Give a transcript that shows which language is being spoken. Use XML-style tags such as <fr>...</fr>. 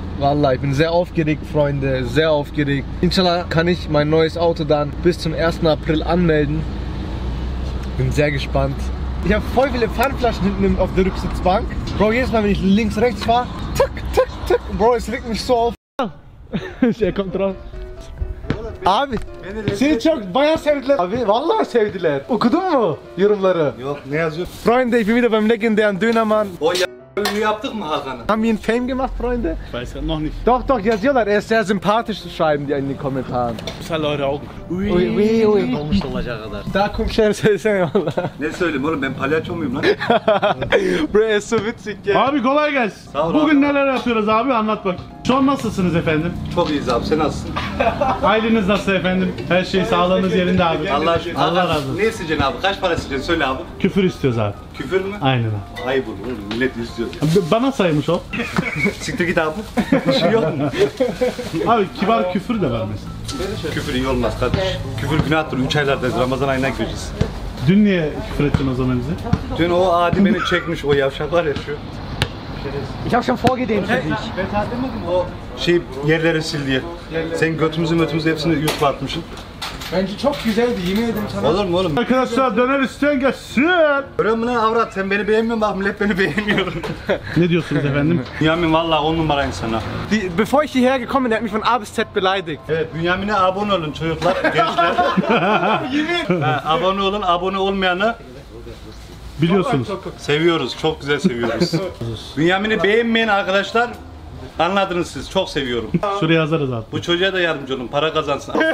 <de>Wallah, ich bin sehr aufgeregt, Freunde, sehr aufgeregt. Inshallah kann ich mein neues Auto dann bis zum 1. April anmelden. Bin sehr gespannt. Ich habe voll viele Pfandflaschen hinten auf der Rücksitzbank. Bro, jedes Mal, wenn ich links, rechts fahre, tuck, tuck, tuck. Bro, es regt mich so auf. Er kommt drauf.</de> <tr>Abi, seni çok bayağı sevdiler. Abi vallahi sevdiler. Okudun mu yorumları? Yok, ne yazıyor?</tr> <de>Freunde, ich bin wieder beim legendären Dönermann.</de> <tr>Oh ya, ünlü yaptık mı Hakan'ı?</tr> <de>Haben wir ihn Fame gemacht, Freunde? Weiß ich noch nicht. Doch, doch,</de> <tr>yazıyorlar.</tr> <de>Er ist sehr sympathisch, schreiben die in den Kommentaren.</de> <tr>Güzel</tr> <de>eure Augen.</de> <tr>Ui, ui, ui. Dolmuş dolacağı kadar. Daha komşer söylesene valla. Ne söyleyeyim oğlum, ben palyaço muyum lan?</tr> <de>Bro, es so witzig ya.</de> <tr>Abi kolay gelsin. Sağ ol. Bugün neler yapıyoruz abi, anlat bak. Şu an nasılsınız efendim? Çok iyiyiz abi, sen nasılsın? Aileniz nasıl efendim? Her şey sağlığınız yerinde abi. Allah razı olsun. Ne isteyeceksin abi? Kaç para isteyeceksin? Söyle abi. Küfür istiyoruz abi. Küfür mü? Aynen abi. Ay bu, millet istiyor. Bana saymış o. Siktir git abi. Bir şey yok mu? Abi kibar küfür de var mesela. Küfür iyi olmaz kardeş. Küfür günahdır. 3 aylarda Ramazan ayına gireceğiz. Dün niye küfür ettin o zaman bize? Dün o Adi beni çekmiş. O yavşak var ya şu.</tr> <de>Ich habe schon vorgedehnt für dich.</de> <tr>Şey, yerleri sil diye. Senin götümüzü mötümüzü hepsini YouTube'a atmışsın. Bence çok güzeldi, yemin ederim sana. Olur mu oğlum? Arkadaşlar döner isteyen gelsin. Görüyor musun avrat, sen beni beğenmiyorsun, bak millet beni beğenmiyor. Ne diyorsunuz efendim? Bünyamin valla 10 numara insana.</tr> <de>Bevor ich hierher gekommen bin, der hat mich von A bis Z beleidigt.</de> <tr>Evet, Bünyamin'e abone olun çocuklar, gençler. Abone olun, abone olmayanı. Biliyorsunuz. Seviyoruz, çok güzel seviyoruz. Bünyamin'i beğenmeyen arkadaşlar, anladınız siz, çok seviyorum. Şuraya yazarız abi. Bu çocuğa da yardımcı olun, para kazansın.</tr>